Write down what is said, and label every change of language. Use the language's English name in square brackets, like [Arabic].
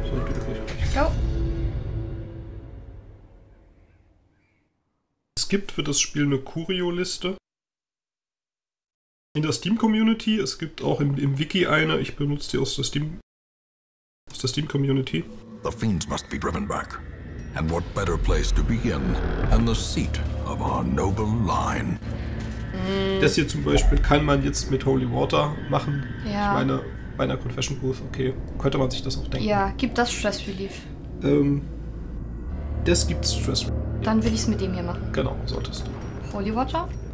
[German] Sollte wirklich reichen. Go! Es gibt für das Spiel eine Curio-Liste. In der Steam-Community. Es gibt auch im Wiki eine. Ich benutze die aus der Steam-Community. [English] The fiends must be driven back. And what better place to begin than the seat of our noble line. [German] Das hier zum Beispiel kann man jetzt mit Holy Water machen. Ja. Ich meine, bei einer Confession Booth, okay, könnte man sich das auch denken. Ja, gibt das Stress Relief? Das gibt Stress Relief. Dann will ich es mit dem hier machen. Genau, solltest du. Holy Water?